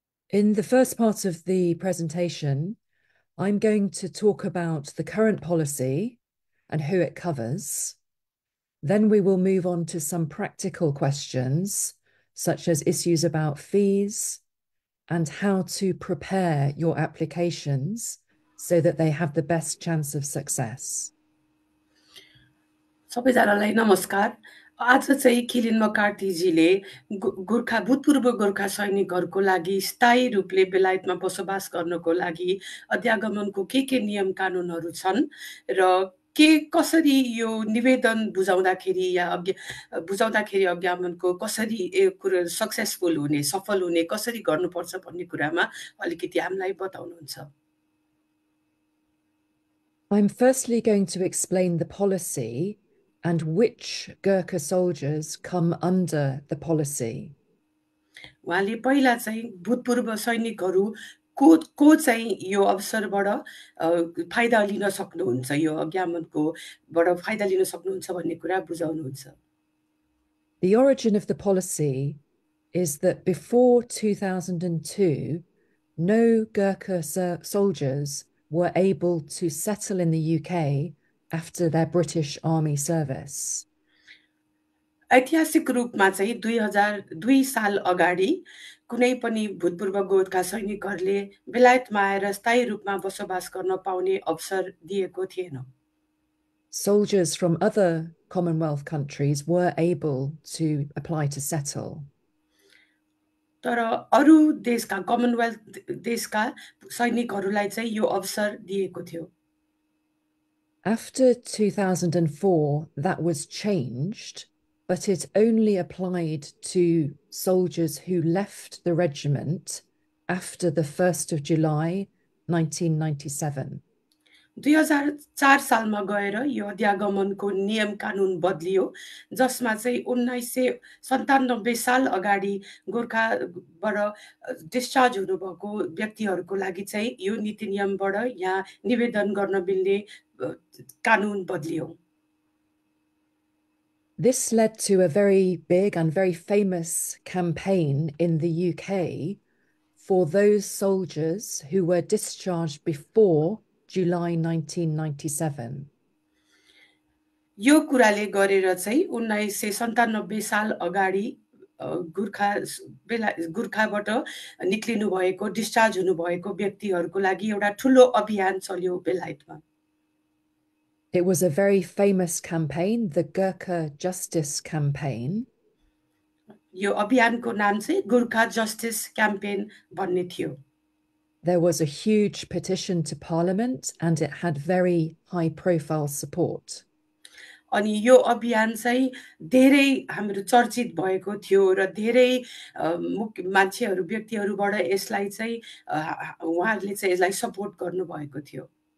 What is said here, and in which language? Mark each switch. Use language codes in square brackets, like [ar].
[en] In the first part of the presentation, I'm going to talk about the current policy and who it covers. Then we will move on to some practical questions, such as issues about fees and how to prepare your applications so that they have the best chance of success. [ne] सबैजनालाई नमस्कार. आज चाहिँ किलिन मकार्थीजीले गोर्खा भूतपूर्व गोर्खा सैनिकहरूको लागि स्थायी रूपले बेलायतमा बसोबास गर्नको लागि अध्यागमनको के नियम कानुनहरू छन् र के कसरी यो निवेदन बुझाउँदाखेरि या बुझाउँदाखेरि अभियानको कसरी सक्सेसफुल हुने सफल हुने कसरी गर्नुपर्छ भन्ने कुरामा अलिकति हामीलाई बताउनुहुन्छ. [en] I'm firstly going to explain the policy and which Gurkha soldiers come under the policy. [ne] उहाँले पहिला चाहिँ भूतपूर्व सैनिकहरू को को चाहिँ यो अवसरबाट फाइदा लिन सक्नुहुन्छ यो अज्ञापनको बाट फाइदा लिन सक्नुहुन्छ भन्ने कुरा बुझाउनुहुन्छ. [en] The origin of the policy is that before 2002, no Gurkha soldiers were able to settle in the UK after their British Army service. [ne] ऐतिहासिक रूपमा चाहिँ 2002 साल अगाडि कुनै पनि भूतपूर्व गोर्खा सैनिकहरूले बेलायतमा आएर स्थायी रूपमा बसोबास गर्न पाउने अवसर दिएको थिएन. [en] Soldiers from other Commonwealth countries were able to apply to settle. [ne] तर अरू देशका कमनवेल्थ देशका सैनिकहरूलाई चाहिँ यो अवसर दिएको थियो. [en] After 2004, that was changed, but it only applied to soldiers who left the regiment after the 1st of July 1997. [ne] 2004 सालमा गएर यो अध्यागमनको नियम कानुन बदलियो, जसमा चाहिँ 1997 साल अगाडि गोर्खाबाट डिस्चार्ज हुनुभएको व्यक्तिहरूको लागि चाहिँ यो नीति नियमबाट यहाँ निवेदन गर्न मिल्ने कानुन बदलियो। [en] This led to a very big and very famous campaign in the UK for those soldiers who were discharged before July 1997. [ne] यो कुराले गरेर चाहिँ 1997 साल अगाडि गुर्खा बेला गुर्खाबाट निक्लिनु भएको डिस्चार्ज हुनुभएको व्यक्तिहरूको लागि एउटा ठुलो अभियान चल्यो बेलायतमा। [en] It was a very famous campaign, the Gurkha Justice Campaign. [ne] यो अभियानको नाम चाहिँ गुर्खा जस्टिस क्याम्पेन भन्ने थियो। [en] There was a huge petition to Parliament and it had very high profile support. [ne] अनि यो अभियान चाहिँ धेरै हाम्रो चर्चित भएको थियो र धेरै मुख्य मान्छेहरू व्यक्तिहरूबाट यसलाई चाहिँ उहाँहरूले चाहिँ यसलाई सपोर्ट गर्नुभएको थियो।